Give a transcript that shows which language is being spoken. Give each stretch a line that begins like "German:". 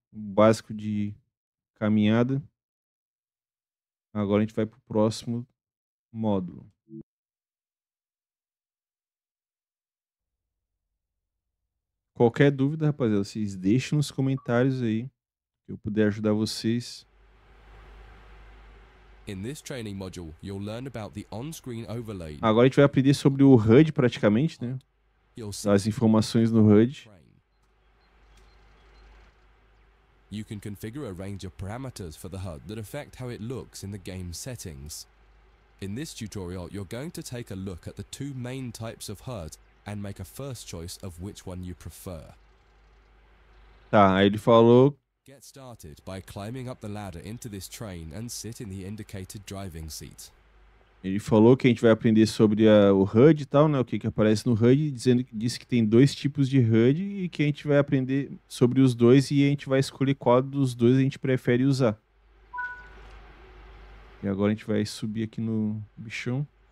Portuguese: Básico de caminhada. Agora a gente vai para o próximo módulo. Qualquer dúvida, rapaziada, vocês deixem nos comentários aí. Se eu puder ajudar vocês.
English: In this training module, you'll learn about the on-screen overlay.
Portuguese: Agora a gente vai aprender sobre o HUD praticamente, né? As informações no HUD.
English: You can configure a range of parameters for the HUD that affect how it looks in the game settings. In this tutorial, you're going to take a look at the two main types of HUD and make a first choice of which one you prefer.
Portuguese: Tá, aí ele falou.
English: Get started by climbing up the ladder into this train and sit in the indicated driving seat.
Portuguese: Ele falou que a gente vai aprender sobre o HUD e tal, né? O que aparece no HUD, dizendo que disse que tem dois tipos de HUD e que a gente vai aprender sobre os dois e a gente vai escolher qual dos dois a gente prefere usar. E agora a gente vai subir aqui no bichão.